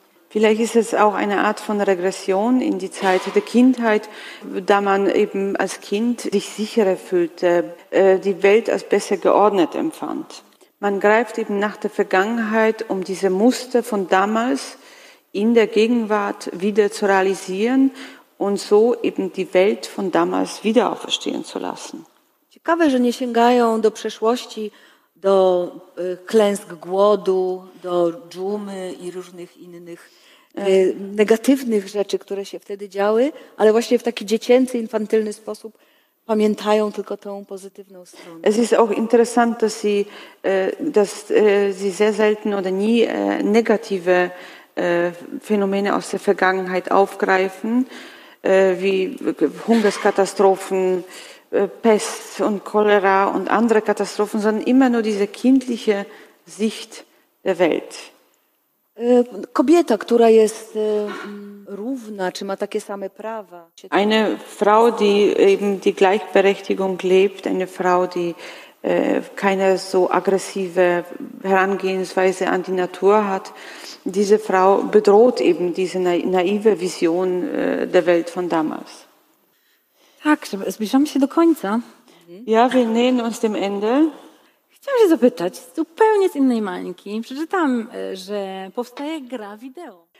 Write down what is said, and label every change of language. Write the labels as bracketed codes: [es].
[de] Vielleicht ist es auch eine Art von Regression in die Zeit der Kindheit, da man eben als Kind sich sicherer fühlte, die Welt als besser geordnet empfand. Man greift eben nach der Vergangenheit, um diese Muster von damals in der Gegenwart wieder zu realisieren und so eben die Welt von damals wieder auferstehen zu lassen. [pl] Ciekawe, że nie sięgają do przeszłości do klęsk głodu, do dżumy i różnych innych negatywnych rzeczy, które się wtedy działy, ale właśnie w taki dziecięcy, infantylny sposób pamiętają tylko tą pozytywną stronę. [de] Es ist auch interessant, dass sie sehr selten oder nie negative Phänomene aus der Vergangenheit aufgreifen, wie Hungerskatastrophen, Pest und Cholera und andere Katastrophen, sondern immer nur diese kindliche Sicht der Welt. [pl] Kobieta, która jest równa, czy ma takie same prawa. [de] Eine Frau, die eben die Gleichberechtigung lebt, eine Frau, die keine so aggressive Herangehensweise an die Natur hat, diese Frau bedroht eben diese naive Vision der Welt von damals. [pl] Tak, zbliżamy się do końca. [de] Ja, wir nähern uns dem Ende. [pl] Chciałam się zapytać, zupełnie z innej mańki. Przeczytam, że powstaje gra wideo.